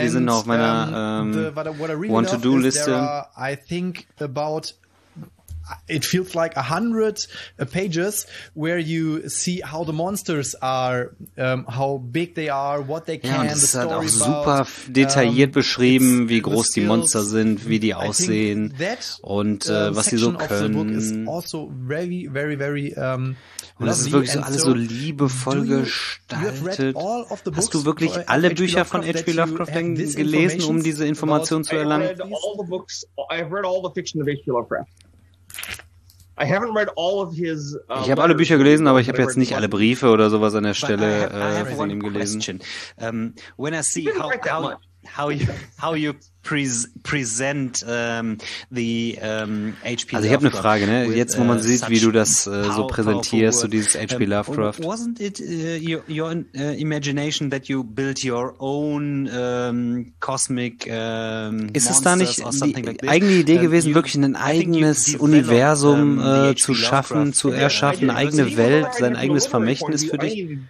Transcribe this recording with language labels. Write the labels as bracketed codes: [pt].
[de] Die sind noch auf meiner Want-to-Do-Liste. [en] I think about. It feels like 100 pages where you see how the monsters are, how big they are, what they can. [de] Ja, und es hat auch super detailliert beschrieben, wie groß die Monster sind, wie die aussehen und was sie so können. [en] Also very, very, very, [de] und es ist wirklich so alles so liebevoll gestaltet. Hast du wirklich alle Bücher von H.P. Lovecraft gelesen, um diese Information zu erlangen? [en] I've read all the fiction of H.P. Lovecraft. I haven't read all of his, [de] ich habe alle Bücher gelesen, aber ich habe jetzt nicht alle Briefe oder sowas an der Stelle von ihm gelesen. [en] When I see how you present H.P. [de] Also ich habe eine Frage, ne? Jetzt, wo man sieht, wie du das so präsentierst, so dieses H.P. Lovecraft. [en] Wasn't it your imagination that you built your own cosmic [de] ist es da nicht die eigene Idee gewesen, wirklich ein eigenes Universum zu schaffen, zu erschaffen, eine eigene Welt, sein eigenes Vermächtnis für dich?